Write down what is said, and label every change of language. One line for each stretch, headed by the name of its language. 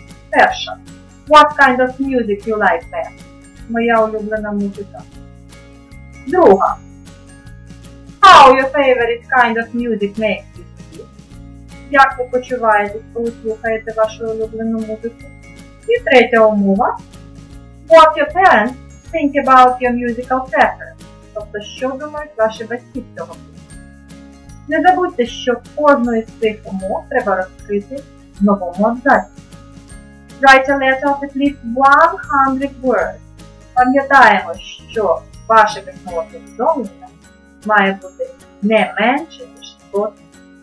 Ukrainian: Перша.
English: What kind of music you like best?
Ukrainian: Моя улюблена музика. Друга.
English: How your favorite kind of music makes?
Ukrainian: Як ви почуваєтесь, коли слухаєте вашу улюблену музику? І третя умова.
English: What your parents think about your musical preference?
Ukrainian: Тобто, що думають ваші батьки з цього приводу? Не забудьте, що кожну із цих умов треба розкрити в новому абзаці.
English: Write a letter of at least 100 words.
Ukrainian: Пам'ятаємо, що ваше письмове повідомлення має бути не менше, ніж 100 слів.